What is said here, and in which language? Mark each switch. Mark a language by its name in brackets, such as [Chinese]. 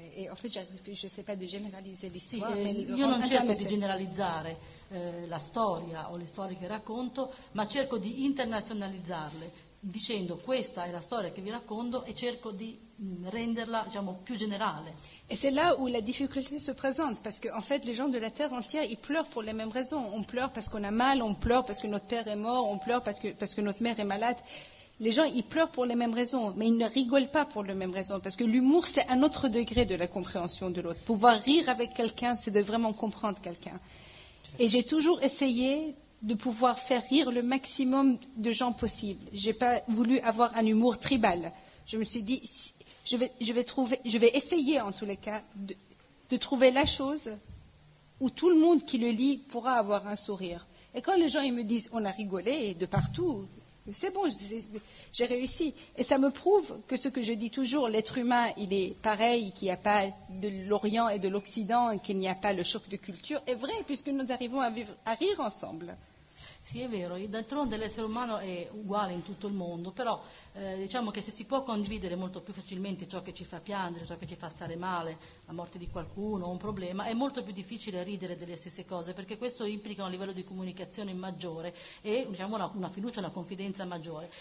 [French] En fait, je sais pas de [Italian] generalizzare [French] l'histoire. [Italian] Sì, io non cerco di generalizzare la storia o le storie che racconto, ma cerco di internazionalizzarle. Dicendo questa è la storia che vi racconto e cerco di renderla, diciamo, più generale. [French] Et c'est là où la difficulté se présente, parce que en fait les gens de la terre entière ils pleurent pour les mêmes raisons. On pleure parce qu'on a mal, on pleure parce que notre père est mort, on pleure parce que notre mère est malade. Les gens ils pleurent pour les mêmes raisons, mais ils ne rigolent pas pour les mêmes raisons, parce que l'humour c'est un autre degré de la compréhension de l'autre. Pouvoir rire avec quelqu'un, c'est de vraiment comprendre quelqu'un. Et j'ai toujours essayé de pouvoir faire rire le maximum de gens possible. J'ai pas voulu avoir un humour tribal. Je me suis dit, je vais essayer en tous les cas de trouver la chose où tout le monde qui le lit pourra avoir un sourire. Et quand les gens ils me disent, on a rigolé de partout, c'est bon, j'ai réussi. Et ça me prouve que ce que je dis toujours, l'être humain, il est pareil, qu'il n'y a pas de l'Orient et de l'Occident, qu'il n'y a pas le choc de culture, est vrai, puisque nous arrivons à rire ensemble. [Italian] Sì, è vero, d'altronde l'essere umano è uguale in tutto il mondo, però diciamo che se si può condividere molto più facilmente ciò che ci fa piangere, ciò che ci fa stare male, la morte di qualcuno, un problema, è molto più difficile ridere delle stesse cose, perché questo implica un livello di comunicazione maggiore e diciamo una fiducia, una confidenza maggiore.